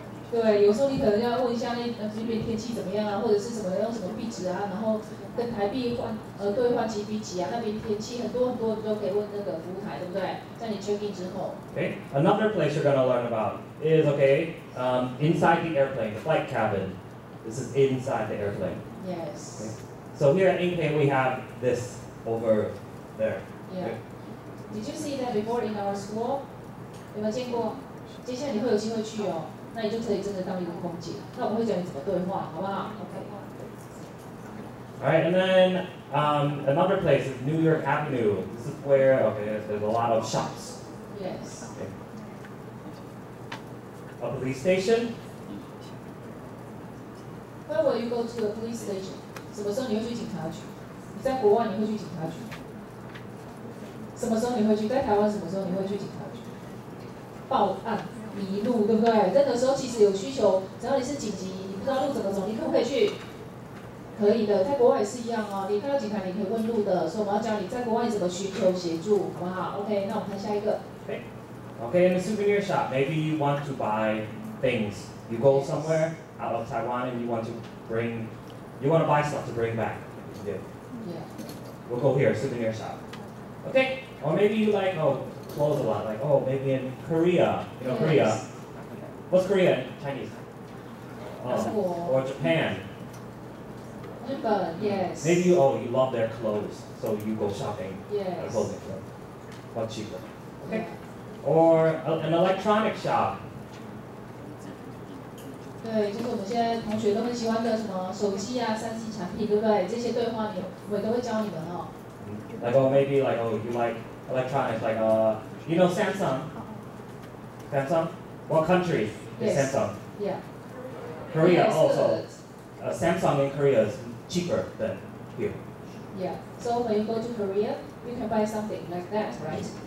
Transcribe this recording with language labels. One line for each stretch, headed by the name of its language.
Chinese: 对，有时候你可能要问一下那边天气怎么样啊，或者是什么用什么币值啊，然后跟台币换兑换几比几啊，那边天气很多你都可以问那个服务台，对不对？在你 check in 之后。
English: Okay, another place you're gonna learn about is okay, inside the airplane, the flight cabin. This is inside the airplane. Yes. Okay. So here at Inpei we have this over there. Yeah. Did you see that before in our school?
Chinese: 有没有见过？接下来你会有机会去哦。那你就可以真的当一个空姐，那我们会教你怎么对话，好不好 ？OK。
English: All right, and then another place is New York Avenue. This is where okay, there's a lot of shops. Yes. Okay. A police station. When will you go to the police station?
Chinese: 什么时候你会去警察局？你在国外你会去警察局？什么时候你会去？在台湾什么时候你会去警察局？报案。迷路对不对？那个时候其实有需求，只要你是紧急，你不知道路怎么走，你可不可以去？可以的，在国外也是一样哦。你看到警察，你可以问路的。所以我们要教你在国外怎么寻求协助，好不好 ？OK， 那我们看下一个。
English: Okay, in a souvenir shop, maybe you want to buy things. You go somewhere out of Taiwan and you want to buy stuff to bring back. Yeah. We'll go here, souvenir shop. Okay, or maybe you like clothes a lot, like, oh, maybe in Korea, yes. Korea. What's Korea in Chinese? Or Japan. Yes. Maybe you love their clothes, so you go shopping at a clothing store. What's cheaper? Okay. Yeah. Or an electronic shop.
Chinese: 对，就是我们现在同学都很喜欢的什么手机啊，三 C 产品，对不对？这些对话我都会教你们哦。
English: Like, oh, maybe like, oh, you like,electronics, like, Samsung? Samsung? What country is yes. Samsung? Yeah. Korea yes, also. Samsung in Korea is cheaper than here. Yeah. So when you go to Korea, you can buy something like that, right?